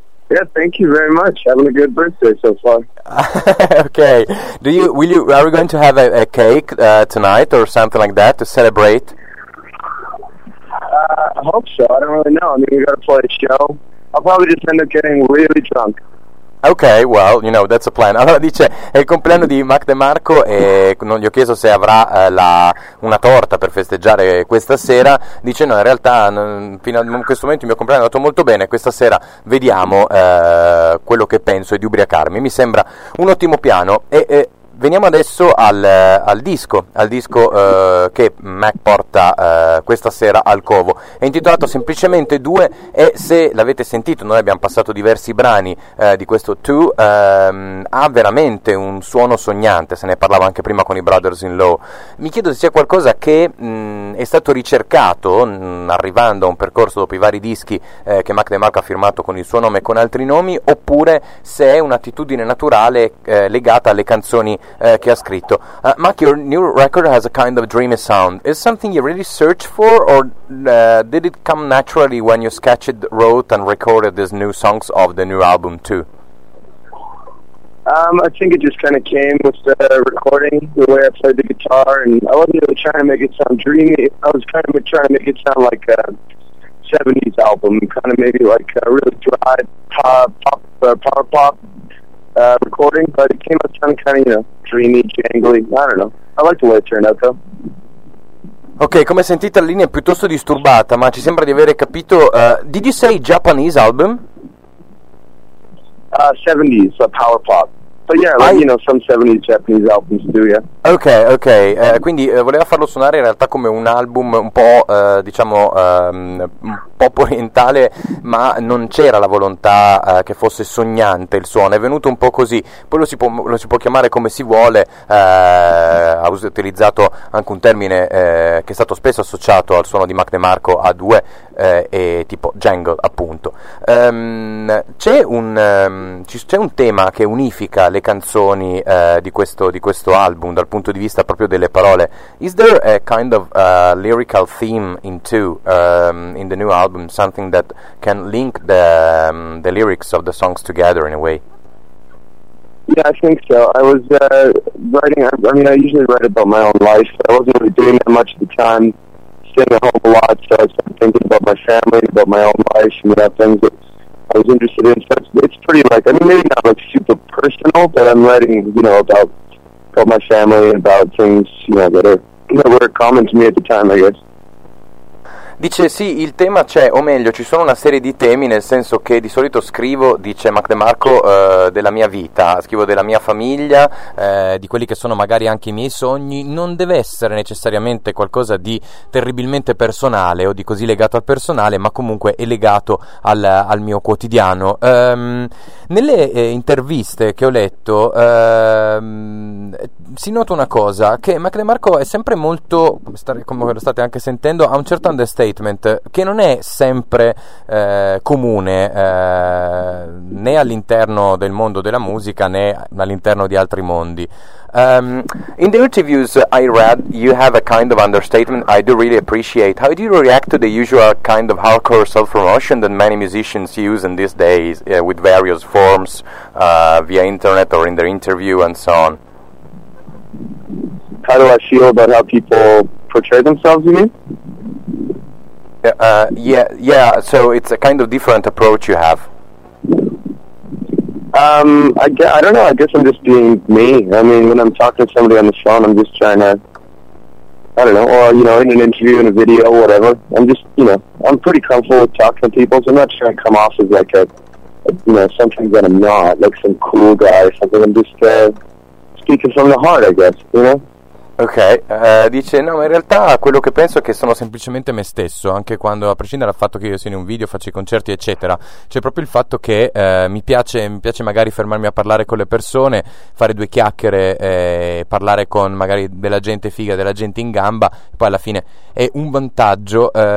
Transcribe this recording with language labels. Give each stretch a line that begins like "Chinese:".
English: Yeah, thank you very much. Having a good birthday so far. Okay. Are we going to have a cake tonight or something like that to celebrate? I hope so. I don't really know. I mean, we got to play a show. I'll probably just end up getting really drunk. Ok, well, you know, that's a plan.
Italian: Allora dice, è il compleanno di Mac DeMarco e non gli ho chiesto se avrà una torta per festeggiare questa sera. Dice no, in realtà fino a questo momento il mio compleanno è andato molto bene. Questa sera vediamo quello che penso e di ubriacarmi. Mi sembra un ottimo piano. E veniamo adesso al disco che Mac porta questa sera al Covo. È intitolato semplicemente 2 e se l'avete sentito, noi abbiamo passato diversi brani di questo 2, ha veramente un suono sognante, se ne parlava anche prima con i Brothers in Law. Mi chiedo se sia qualcosa che è stato ricercato arrivando a un percorso dopo i vari dischi che Mac DeMarco ha firmato con il suo nome e con altri nomi, oppure se è un'attitudine naturale legata alle canzoni che ha scritto.
English: Mac, your new record has a kind of dreamy sound. Is something you really searched for, or did it come naturally when you sketched, wrote and recorded these new songs of the new album too? I think it just kind of came with the recording, the way I played the guitar, and I wasn't really trying to make it sound dreamy. I was kind of trying to make it sound like a 70s album, kind of maybe like a really dry power pop recording, but it came out sounding kind of, you know, dreamy, jangly. I don't know. I like the way it turned out, though.
Italian: Ok, come sentite la linea è piuttosto disturbata, ma ci sembra di avere capito.
English: Did you say Japanese album? 70s, a power pop. But yeah, like, you know, some 70s Japanese albums do, yeah. Ok, ok.
Italian: Quindi voleva farlo suonare in realtà come un album un po', diciamo, un po' orientale, ma non c'era la volontà che fosse sognante il suono. È venuto un po' così. Poi lo si può chiamare come si vuole. Ha utilizzato anche un termine che è stato spesso associato al suono di Mac DeMarco, A2, e tipo jangle, appunto. C'è un tema che unifica le canzoni di questo album dal punto di vista proprio delle parole.
English: Is there a kind of lyrical theme in the new album, something that can link the lyrics of the songs together in a way? Yeah, I think so. I was writing, I mean, I usually write about my own life, but I wasn't really doing that much at the time, staying at home a lot, so I started thinking about my family, about my own life, and about things that I was interested in. So it's pretty, like, I mean, maybe not like super personal, but I'm writing, you know, about my family and about things, you know, that were common to me at the time, I guess.
Italian: Dice sì, il tema c'è, o meglio, ci sono una serie di temi, nel senso che di solito scrivo, dice Mac DeMarco, della mia vita, scrivo della mia famiglia, di quelli che sono magari anche i miei sogni. Non deve essere necessariamente qualcosa di terribilmente personale o di così legato al personale, ma comunque è legato al mio quotidiano. Nelle interviste che ho letto si nota una cosa, che Mac DeMarco è sempre molto, come lo state anche sentendo, ha un certo understatement che non è sempre comune né all'interno del mondo della musica né all'interno di altri mondi.
English: In the interviews I read, you have a kind of understatement I do really appreciate. How do you react to the usual kind of hardcore self-promotion that many musicians use in these days with various forms via internet or in their interview and so on? How do I feel about how people portray themselves, you mean? Yeah. So it's a kind of different approach you have. I don't know. I guess I'm just being me. I mean, when I'm talking to somebody on the phone, I'm just trying to, I don't know, or, you know, in an interview, in a video, whatever. I'm just, you know, I'm pretty comfortable with talking to people, so I'm not trying to come off as like a you know, something that I'm not, like some cool guy or something. I'm just speaking from the heart, I guess, you know?
Italian: Ok, dice no, ma in realtà quello che penso è che sono semplicemente me stesso, anche quando, a prescindere dal fatto che io sia in un video, faccio i concerti, eccetera, c'è proprio il fatto che mi piace magari fermarmi a parlare con le persone, fare due chiacchiere, parlare con magari della gente figa, della gente in gamba, poi alla fine è un vantaggio.